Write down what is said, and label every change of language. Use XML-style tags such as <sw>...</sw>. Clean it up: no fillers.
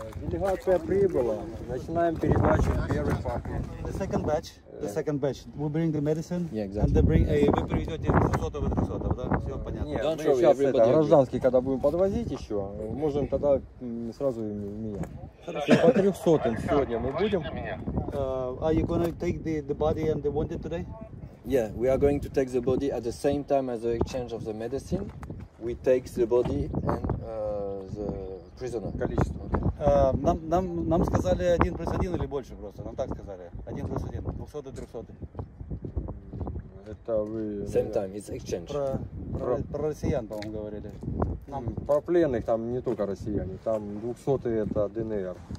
<ru>Делегация прибыла. Начинаем передачу. Первый факт.</ru> <en>The second batch. The second batch. We bring the medicine. Yeah, exactly. And they bring.</en> <ru>Вы приведете 300-300, да? Все понятно. Нет, мы сейчас это гражданские, когда будем подвозить еще, можем тогда сразу меня. По 300-м сегодня мы будем.</ru> <en>Are you gonna take the body and the wounded today? Yeah, we are going to take the body at the same time as the exchange of the medicine. We take the body and the prisoner.</en> <ru>Количество. Нам сказали 1+1 или больше просто. Нам так сказали. 1+1. 200-300. Это вы...</ru> <en>Same time, it's exchange.</en> <ru>Про россиян, по-моему, говорили. Нам... Про пленных там не только россияне. Там 200 это ДНР.</ru>